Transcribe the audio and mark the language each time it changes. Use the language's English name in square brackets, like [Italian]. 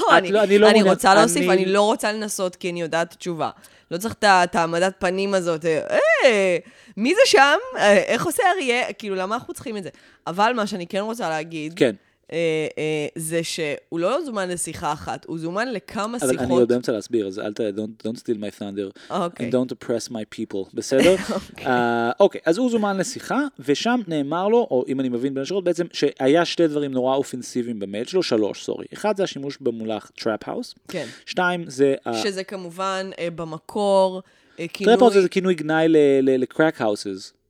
[Hebrew] לא, אני רוצה להוסיף, אני לא רוצה לנסות, כי אני יודעת תשובה. לא צריך את העמדת פנים הזאת. מי זה שם? איך עושה אריה? כאילו, למה אנחנו צריכים את זה? אבל מה שאני כן רוצה להגיד, זה שהוא לא זומן לשיחה אחת, הוא זומן לכמה שיחות. אני עוד באמצע להסביר, אז אל תהיה, [English] don't steal my thunder, and don't oppress my people, [Hebrew] בסדר? אוקיי, אז הוא זומן לשיחה, ושם נאמר לו, או אם אני מבין בין השורות, בעצם שהיה שתי דברים נורא אופנסיביים במייל שלו, שלוש, סורי. אחד זה השימוש במולח trap house. כן. שתיים זה... שזה כמובן במקור, כינוי... trap house זה כינוי גנאי ל-crack houses.